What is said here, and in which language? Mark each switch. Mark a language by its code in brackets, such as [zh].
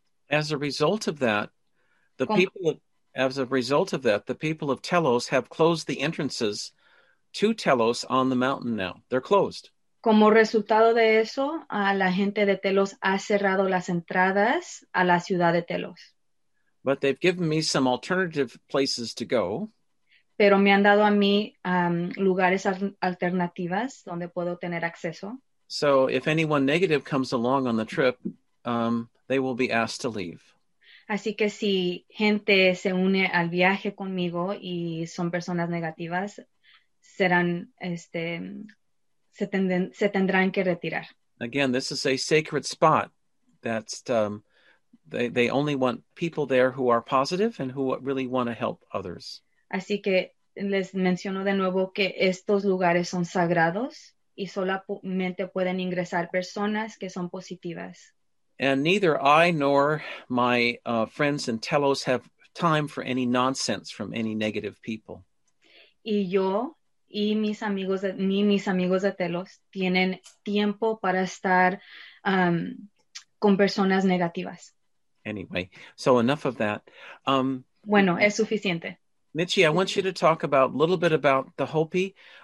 [en] As a result of that, the people of Telos have closed the entrances to Telos on the mountain now. They're closed. [es] Como resultado de eso, la gente de Telos ha cerrado las entradas a la ciudad de Telos. [en] But they've given me some alternative places to go. [es] Pero me han dado a mí lugares alternativas donde puedo tener acceso. [en] So if anyone negative comes along on the trip, they will be asked to leave. [es] Así que si gente se une al viaje conmigo y son personas negativas, se tendrán que retirar. [en] Again, this is a sacred spot that's they only want people there who are positive and who really want to help others. [es] Así que les menciono de nuevo que estos lugares son sagrados y solamente pueden ingresar personas que son positivas. [en] And neither I nor my friends in Telos have time for any nonsense from any negative people. [es] Y yo y mis amigos de Telos tienen tiempo para estar con personas negativas. [en] Anyway, so enough of that. [es] Bueno, es suficiente. [en] Michi, I want you to talk a little bit about the Hopi.